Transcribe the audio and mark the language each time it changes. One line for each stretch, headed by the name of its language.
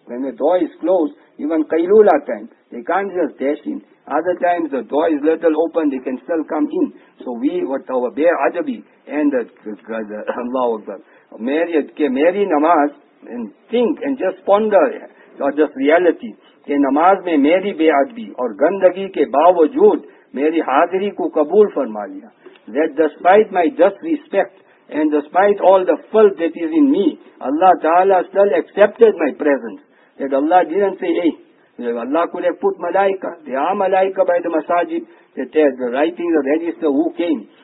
English: When the door is closed, even Qailula time, they can't just dash in. Other times the door is little open, they can still come in. So we, with our bare adabi, and the Allah Akbar, Mary Namaz, and think and just ponder on this reality.
Urdu: کہ نماز میں میری بے ادبی اور گندگی کے باوجود میری حاضری کو قبول فرما لیا.
English: That despite my disrespect and despite all the filth that is in me, Allah Ta'ala still accepted my presence. That Allah didn't say, hey, Allah could have put malaika, they are malaika by the masajid, that they are writing the register who came.